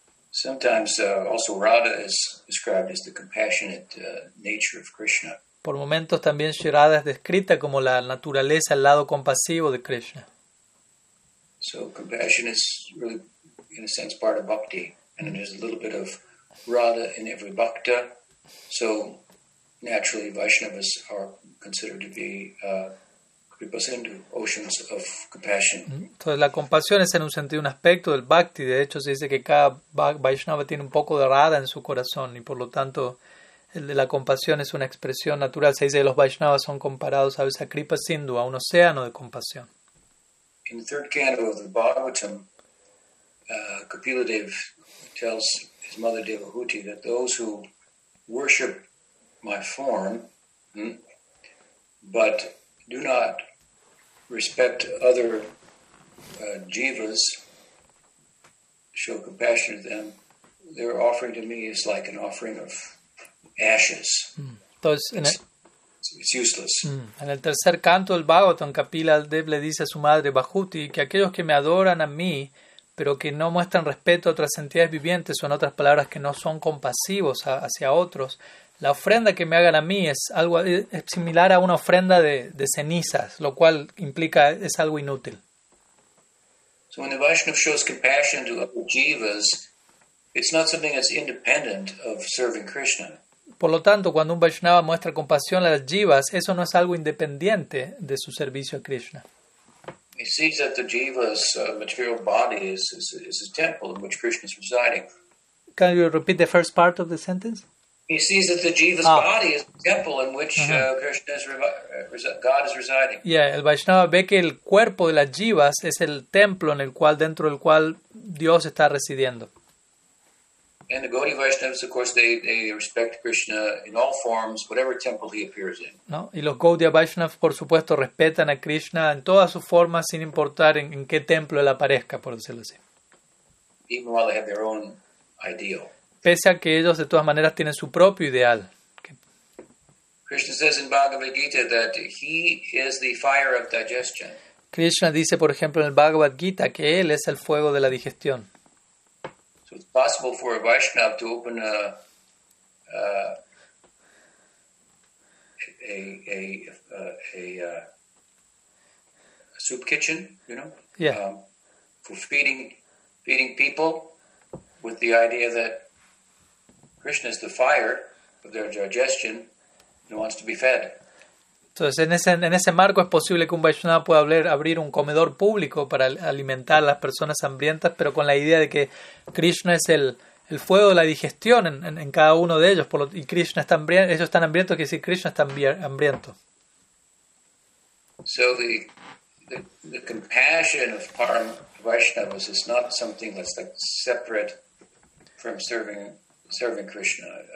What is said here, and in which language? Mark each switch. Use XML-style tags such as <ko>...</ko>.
<en>Sometimes also Radha is described as the compassionate nature of Krishna.</en> <es>Por momentos también Radha es descrita como la naturaleza, el lado compasivo de Krishna.</es> <en>So compassion is really, in a sense, part of bhakti. And there's a little bit of Radha in every bhakta. So naturally, Vaishnavas are considered to be kripasindhu, oceans of compassion.</en> <es>Entonces la compasión es en un sentido un aspecto del bhakti. De hecho, se dice que cada Vaishnava tiene un poco de Radha en su corazón. Y por lo tanto, el de la compasión es una expresión natural. Se dice que los Vaishnavas son comparados a veces a kripasindhu, a un océano de compasión.</es> <en>In the third canto of the Bhagavatam, Kapila Dev tells his mother Devahuti that those who worship my form, but do not respect other jivas, show compassion to them, their offering to me is like an offering of ashes. It's useless.</en> <es>En el tercer canto del Bhagavatam, Kapila Dev le dice a su madre Bahuti que aquellos que me adoran a mí, pero que no muestran respeto a otras entidades vivientes, o en otras palabras, que no son compasivos hacia otros, la ofrenda que me hagan a mí es similar a una ofrenda de cenizas, lo cual implica es algo inútil.</es> <en>So when the Vaishnava shows compassion to other jivas, it's not something that's independent of serving Krishna.</en> <es>Por lo tanto, cuando un Vaishnava muestra compasión a las jivas, eso no es algo independiente de su servicio a Krishna.</es> <en>He sees that the jiva's material body is a temple in which Krishna is residing. Can you repeat the first part of the sentence? He sees that the jiva's body is the temple in which Krishna is God is residing.</en> <es>Yeah, el Vaishnava ve que el cuerpo de las jivas es el templo en el cual dentro del cual Dios está residiendo.</es> <en>And the Gaudiya Vaishnavas, of course, they respect Krishna in all forms, whatever temple he appears in.</en> <es>No, y los Gaudiya Vaishnavas, por supuesto, respetan a Krishna en todas sus formas, sin importar en qué templo él aparezca, por decirlo así.</es> <en>Even while they have their own ideal.</en> <es>Pese a que ellos de todas maneras tienen su propio ideal.</es> <en>Krishna says in Bhagavad Gita that he is the fire of digestion.</en> <es>Krishna dice, por ejemplo, en el Bhagavad Gita que él es el fuego de la digestión.</es> <en>So it's possible for a Vaishnava to open a soup kitchen, you know? Yeah. For feeding people with the idea that Krishna is the fire of their digestion and wants to be fed.</en> <es>Entonces, en ese marco es posible que un Vaishnava pueda abrir un comedor público para alimentar a las personas hambrientas, pero con la idea de que Krishna es el fuego de la digestión en cada uno de ellos, y Krishna está hambriento, ellos están hambrientos, quiere decir Krishna está hambriento.</es> <en>So the compassion of Param Vaishnavas is not something that's like separate from serving Krishna.</en>